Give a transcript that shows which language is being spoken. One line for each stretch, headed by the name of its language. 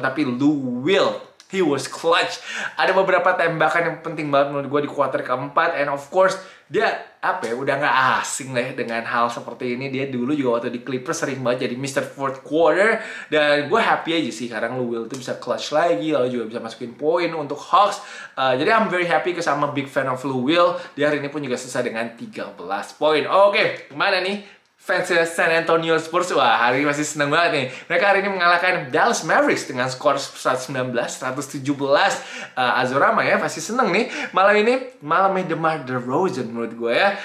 Indonesian: Tapi Lou Will,
English: he was clutch.
Indonesian: Ada beberapa tembakan yang penting banget menurut gue di quarter keempat.
English: And of course,
Indonesian: dia apa ya, udah gak asing lah ya dengan hal seperti ini. Dia dulu juga waktu di Clippers sering banget jadi Mr. Fourth Quarter. Dan gue happy aja sih, sekarang Lou Will tuh bisa clutch lagi. Lalu juga bisa masukin poin untuk Hawks. Jadi
English: I'm very happy because I'm a big fan of Lou Will.
Indonesian: Dia hari ini pun juga selesai dengan 13 poin. Oke, gimana nih fansnya San Antonio Spurs? Wah, hari ini masih seneng banget nih. Mereka hari ini mengalahkan Dallas Mavericks dengan skor 119-117. Azurama ya, pasti seneng nih. Malam ini, malamnya DeMar DeRozan menurut gue ya.